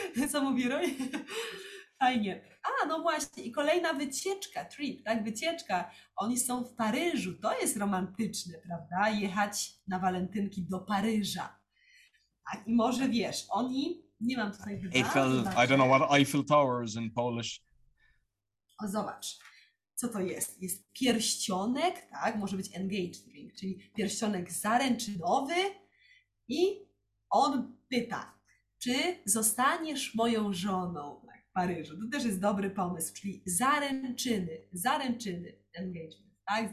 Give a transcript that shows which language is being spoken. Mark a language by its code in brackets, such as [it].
[pl] Co mówi Roy? Fajnie. A no właśnie, i kolejna wycieczka, trip, tak, wycieczka. Oni są w Paryżu, to jest romantyczne, prawda? Jechać na walentynki do Paryża. A i może wiesz, oni, nie mam tutaj [en] Eiffel, I don't know what Eiffel Tower is in Polish. [pl] O zobacz. co to jest? Jest pierścionek, tak? Może być engagement ring, czyli pierścionek zaręczynowy. I on pyta, czy zostaniesz moją żoną w Paryżu? To też jest dobry pomysł, czyli zaręczyny, engagement, tak?